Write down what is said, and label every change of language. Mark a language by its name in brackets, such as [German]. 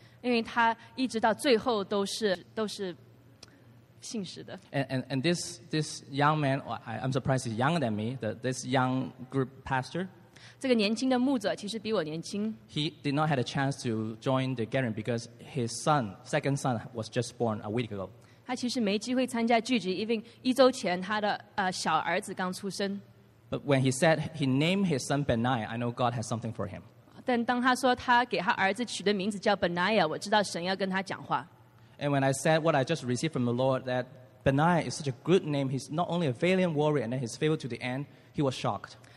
[Chinese] 因为他一直到最后都是信实的。 [English] And this young man, I'm surprised he's younger than me, this young group pastor. [Chinese] 这个年轻的牧者其实比我年轻。 [English] He did not have a chance to join the gathering because his son, second son, was just born a week ago. [Chinese] 他其实没机会参加聚集，因为一周前他的小儿子刚出生。 [English] But when he said he named his son Benaiah, I know God has something for him. [Chinese] 但当他说他给他儿子取的名字叫Benaiah，我知道神要跟他讲话。 [English] And when I said what I just received from the Lord, that Benaiah is such a good name, he's not only a valiant warrior and then he's faithful to the end, he was shocked.